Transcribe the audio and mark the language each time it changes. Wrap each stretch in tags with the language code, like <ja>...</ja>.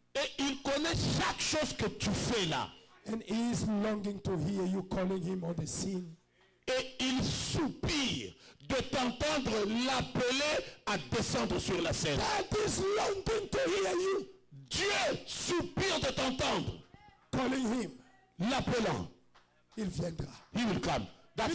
<fr>Et il connaît chaque chose que tu fais là.</fr> <en>And he is longing to hear you calling him on the scene.</en> <fr>Et il soupire de t'entendre l'appeler à descendre sur la scène.</fr> <en>That is longing to hear you.</en> <fr>Dieu soupire de t'entendre.</fr> <en>Calling him.</en> <fr>L'appelant. Il viendra.</fr> <en>He will come. That's</en>